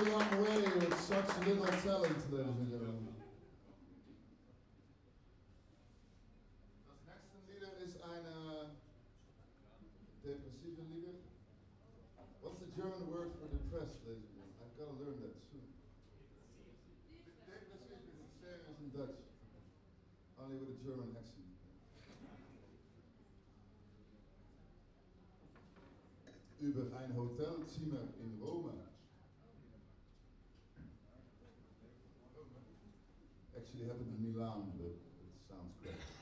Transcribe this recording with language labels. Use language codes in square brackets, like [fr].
[en] come away with such little talent, ladies and gentlemen. [de] Das nächste Lied ist eine depressive Lied. [en] What's the German word for depressed, ladies and gentlemen? I've got to learn that soon. Depressive is the same as in Dutch, only with a German accent. [de] Über ein Hotelzimmer in Rome. [en] Actually happened in Milan, but it sounds great.